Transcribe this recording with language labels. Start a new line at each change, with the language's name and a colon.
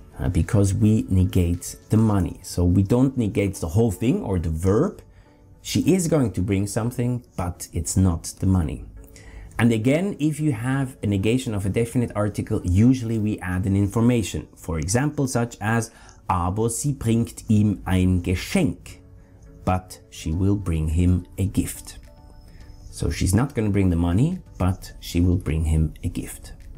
English: Because we negate the money. So we don't negate the whole thing or the verb. She is going to bring something, but it's not the money. And again, if you have a negation of a definite article, usually we add an information. For example, such as,
German: aber sie bringt ihm ein Geschenk.
English: But she will bring him a gift. So she's not going to bring the money, but she will bring him a gift.